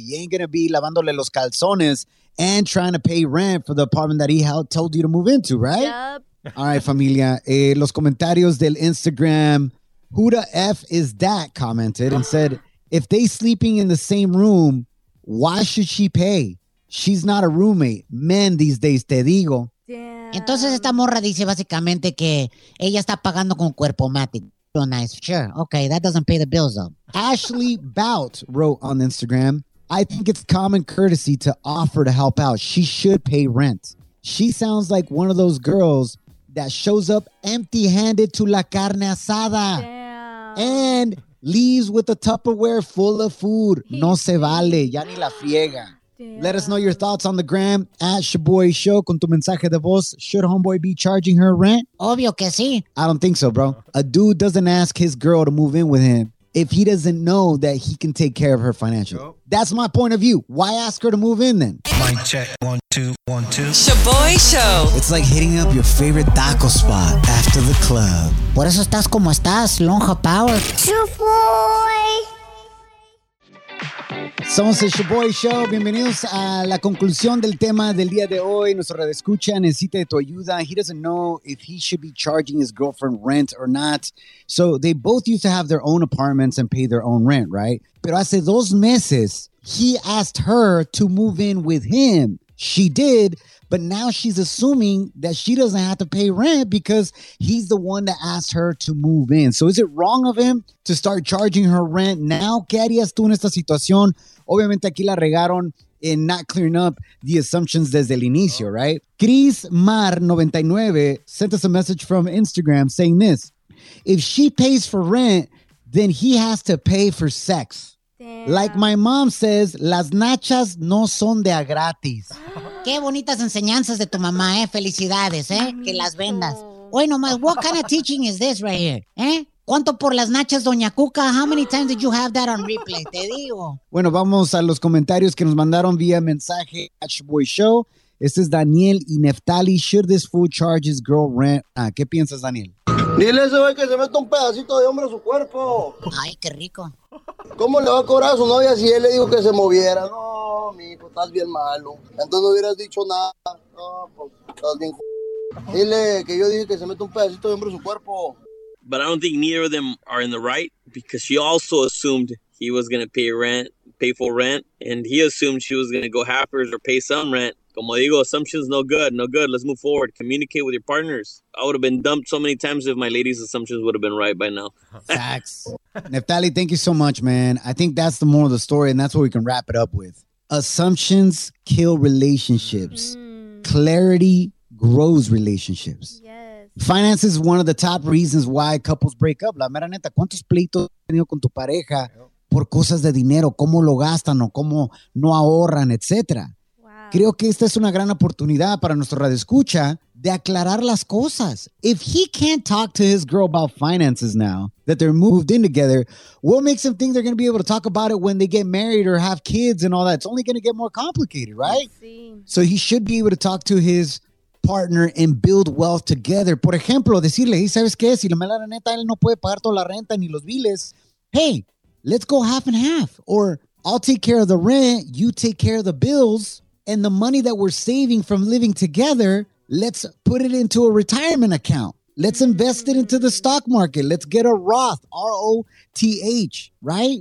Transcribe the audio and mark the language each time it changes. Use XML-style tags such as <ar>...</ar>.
<en>You ain't going to be</en> <es>lavándole los calzones</es> <en>and trying to pay rent for the apartment that he told you to move into, right? Yep. All right,</en> <es>familia. Los comentarios del Instagram.</es> <en>Who the F is that? Commented and said, if they sleeping in the same room, why should she pay? She's not a roommate. Men these days,</en> <es>te digo. Entonces esta morra dice básicamente que ella está pagando con cuerpo matic.</es> <en>So nice. Sure. Okay, that doesn't pay the bills though. Ashley Bout wrote on Instagram, I think it's common courtesy to offer to help out. She should pay rent. She sounds like one of those girls that shows up empty-handed to</en> <es>la carne asada.</es> <en>Damn. And leaves with a Tupperware full of food.</en> <es>No se vale. Ya ni la friega.</es> <en>Damn. Let us know your thoughts on the gram at Shaboy Show</en> <es>con tu mensaje de voz.</es> <en>Should homeboy be charging her rent?</en> <es>Obvio que sí.</es> <en>I don't think so, bro. A dude doesn't ask his girl to move in with him if he doesn't know that he can take care of her financially. Yep. That's my point of view. Why ask her to move in then? Mic check. 1, 2, 1, 2. Shaboy Show. It's like hitting up your favorite taco spot after the club.</en> <es>Por eso estás como estás, lonja power.</es> <en>Shaboy.</en> <es>Somos el Showboy Show. Bienvenidos a la conclusión del tema del día de hoy. Nuestro radioescucha necesita de tu ayuda.</es> <en>He doesn't know if he should be charging his girlfriend rent or not. So they both used to have their own apartments and pay their own rent, right?</en> <es>Pero hace dos meses,</es> <en>he asked her to move in with him. She did, but now she's assuming that she doesn't have to pay rent because he's the one that asked her to move in. So is it wrong of him to start charging her rent now?</en> <es>¿Qué harías tú en esta situación? Obviamente aquí la regaron en</es> <en>not clearing up the assumptions</en> <es>desde el inicio, right?</es> <en>Chris Mar 99 sent us a message from Instagram saying this. If she pays for rent, then he has to pay for sex. Damn. Like my mom says,</en> <es>las nachas no son de a gratis. Qué bonitas enseñanzas de tu mamá, eh. Felicidades, eh. Que las vendas. Oye, nomás,</es> <en>what kind of teaching is this right here, eh?</en> <es>¿Cuánto por las nachas, Doña Cuca?</es> <en>How many times did you have that on replay?</en> <es>Te digo. Bueno, vamos a los comentarios que nos mandaron vía mensaje at Showboy Show. Este es Daniel y Neftali.</es> <en>Should this fool charge his girl rent?</en> <es>Ah, ¿qué piensas, Daniel? Dile a ese güey que se meta un pedacito de hombre a su cuerpo. Ay, qué rico. ¿Cómo le va a cobrar a su novia si él le dijo que se moviera? No, mijo, estás bien malo. Entonces no hubieras dicho nada. No, pues, estás bien. Dile que yo dije que se meta un pedacito de hombre a su cuerpo.</es> <en>But I don't think neither of them are in the right because she also assumed he was going to pay rent, pay full rent, and he assumed she was going to go half hers or pay some rent.</en> <es>Como digo,</es> <en>assumptions no good, no good. Let's move forward. Communicate with your partners. I would have been dumped so many times if my lady's assumptions would have been right by now. Facts. Neftali, thank you so much, man. I think that's the moral of the story, and that's what we can wrap it up with. Assumptions kill relationships. Mm. Clarity grows relationships. Yes. Finance is one of the top reasons why couples break up.</en> <es>La mera neta, ¿cuántos pleitos has tenido con tu pareja por cosas de dinero? ¿Cómo lo gastan o cómo no ahorran, etcétera? Creo que esta es una gran oportunidad para nuestro radioescucha de aclarar las cosas.</es> <en>If he can't talk to his girl about finances now that they're moved in together, what makes him think they're going to be able to talk about it when they get married or have kids and all that? It's only going to get more complicated, right? So he should be able to talk to his partner and build wealth together.</en> <es>Por ejemplo, decirle, hey, ¿sabes qué? Si la neta, él no puede pagar toda la renta ni los biles.</es> <en>Hey, let's go half and half. Or I'll take care of the rent, you take care of the bills. And the money that we're saving from living together, let's put it into a retirement account. Let's invest it into the stock market. Let's get a Roth, R-O-T-H, right?</en>